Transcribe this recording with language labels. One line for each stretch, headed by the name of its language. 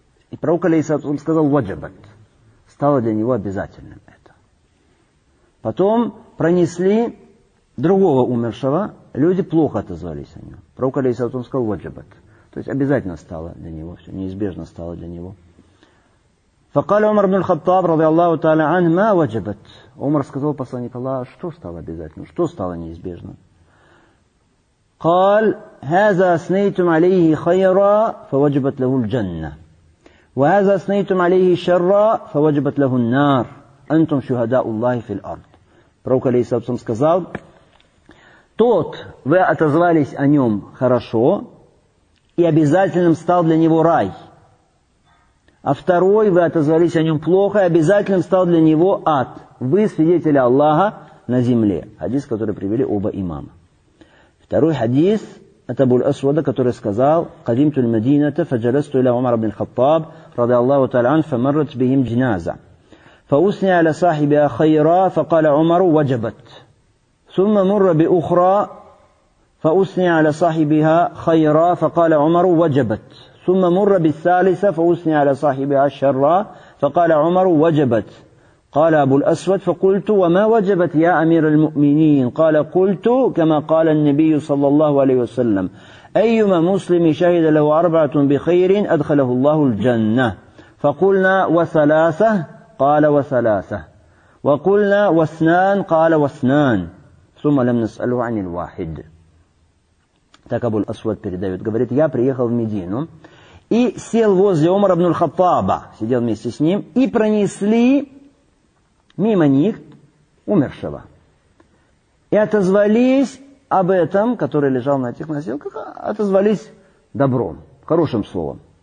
Russian: И пророк, алейхиссалату вассалям, сказал «ваджабат». Стало для него обязательным это. Потом пронесли другого умершего, люди плохо отозвались о нем. Пророк, алейхиссалату вассалям, сказал «ваджабат». То есть обязательно стало для него, все неизбежно стало для него.
Arabic: فقال عمر بن الخطاب رضي الله تعالى عنه ما وجبت.
Russian: عمر сказал посланнику Аллаха, что стало обязательным, что стало неизбежным.
Arabic: قال هذا اثنيتم عليه خيرا فوجبت له الجنه وهذا اثنيتم عليه شرا فوجبت له النار انتم شهداء الله في الارض.
Russian: Пророк алейхиссалям сказал, тот, вы отозвались о нем хорошо, и обязательным стал для него рай. А второй, вы отозвались о нем плохо, и обязательным стал для него ад. Вы свидетели Аллаха на земле. Хадис, который привели оба имама. Второй хадис от Абу аль-Асвада, который сказал:
Arabic: قدمت المدينة فجلست إلى عمر بن الخطاب رضي الله تعالى عنه فمرت بهم جنازة فأثني على صاحبها خيرا فقال عمر وجبت ثم مر بأخرى فأثني على صاحبها خيرا فقال عمر وجبت ثم مر بالثالثة فأثني على صاحبها شرا فقال عمر وجبت. قال أبو الأسود فقلت وما وجبت يا أمير المؤمنين؟ قال قلت كما قال النبي صلى الله عليه وسلم أيما مسلم شهد له أربعة بخير أدخله الله الجنة. فقلنا وثلاثة؟ قال وثلاثة. وقلنا واثنان؟ قال واثنان. ثم لم نسأله عن الواحد.
Russian: Так Абу аль-Асвад передает. Говорит, я приехал в Медину и сел возле Умара ибн аль-Хаттаба, сидел вместе с ним, и пронесли мимо них умершего. И отозвались об этом, который лежал на этих носилках, отозвались добром, хорошим словом.